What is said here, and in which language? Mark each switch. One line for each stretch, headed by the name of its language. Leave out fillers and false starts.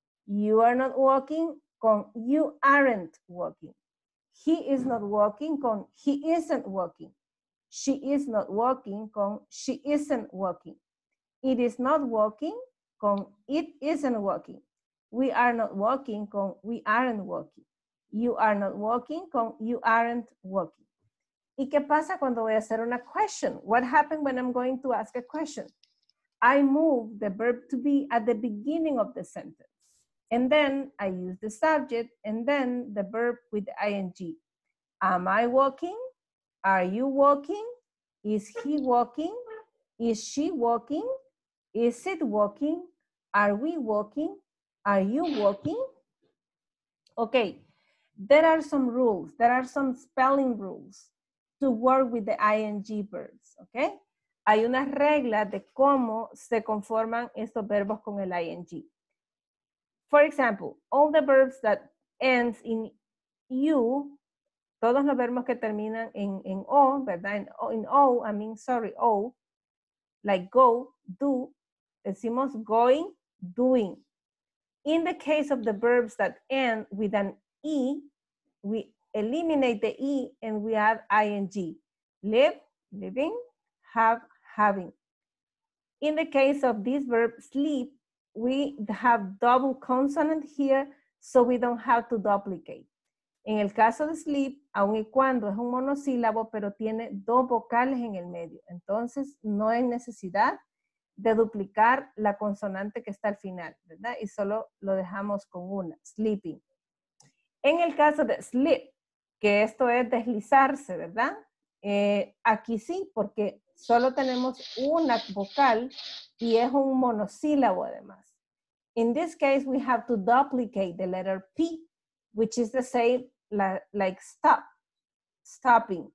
English: You are not walking con you aren't walking. He is not walking con he isn't walking. She is not walking con she isn't walking. It is not walking con it isn't walking. We are not walking con we aren't walking. You are not walking con you aren't walking.
Spanish: ¿Y qué pasa cuando voy a hacer una question?
English: What happened when I'm going to ask a question? I move the verb to be at the beginning of the sentence. And then I use the subject and then the verb with the ing. Am I walking? Are you walking? Is he walking? Is she walking? Is it walking? Are we walking? Are you walking? Okay, there are some rules. There are some spelling rules to work with the ing verbs, okay?
Spanish: Hay una regla de cómo se conforman estos verbos con el ing.
English: For example, all the verbs that ends in u,
Spanish: todos los verbos que terminan en o, ¿verdad?
English: O, like go, do,
Spanish: decimos
English: going, doing. In the case of the verbs that end with an e, we eliminate the e and we add ing. Live, living, have, having. In the case of this verb sleep, we have double consonant here, so we don't have to duplicate.
Spanish: En el caso de sleep, aun y cuando es un monosílabo, pero tiene dos vocales en el medio. Entonces, no hay necesidad de duplicar la consonante que está al final, ¿verdad? Y solo lo dejamos con una, sleeping. En el caso de slip, que esto es deslizarse, ¿verdad? Aquí sí, porque solo tenemos una vocal y es un monosílabo además.
English: In this case, we have to duplicate the letter P, which is the same like stop, stopping.